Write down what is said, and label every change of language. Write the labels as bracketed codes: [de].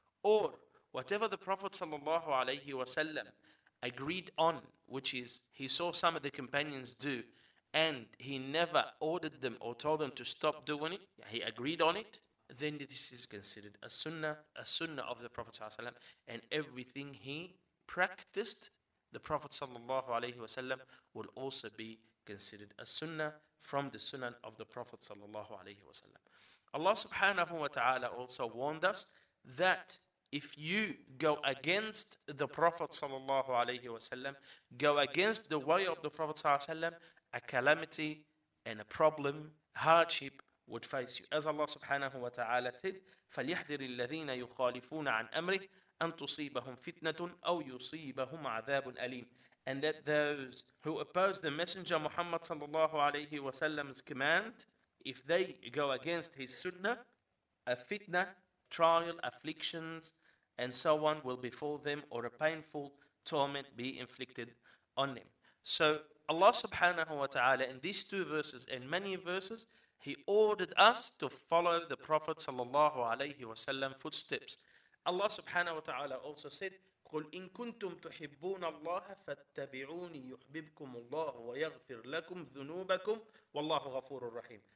[en] Or whatever the Prophet sallallahu alayhi wa sallam agreed on, which is he saw some of the companions do, and he never ordered them or told them to stop doing it, he agreed on it, then this is considered a sunnah of the Prophet sallallahu alayhi wa sallam, and everything he practiced, the Prophet sallallahu alayhi wa sallam will also be considered a sunnah from the sunnah of the Prophet sallallahu alayhi wa sallam. Allah subhanahu wa ta'ala also warned us that if you go against the Prophet sallallahu alayhi wa sallam, go against the way of the Prophet sallallahu alayhi wa sallam, a calamity and a problem, hardship would face you. As Allah subhanahu wa ta'ala said, [ar] فَلْيَحْذِرِ الَّذِينَ يُخَالِفُونَ عَنْ أَمْرِهِ أَنْ تُصِيبَهُمْ فِتْنَةٌ أَوْ يُصِيبَهُمْ عَذَابٌ أَلِيمٌ. [en] And that those who oppose the Messenger Muhammad sallallahu alayhi wa sallam's command, if they go against his sunnah, a fitna, trial, afflictions, and so on will befall them, or a painful torment be inflicted on them. So Allah subhanahu wa ta'ala, in these two verses and many verses, he ordered us to follow the Prophet sallallahu alayhi wa sallam's footsteps. Allah subhanahu wa ta'ala also said, [ar] قُلْ إِن كُنْتُمْ تُحِبُّونَ اللَّهَ فَاتَّبِعُونِي يُحْبِبْكُمُ اللَّهُ وَيَغْفِرْ لَكُمْ ذُنُوبَكُمْ وَاللَّهُ غَفُورٌ رَحِيمٌ.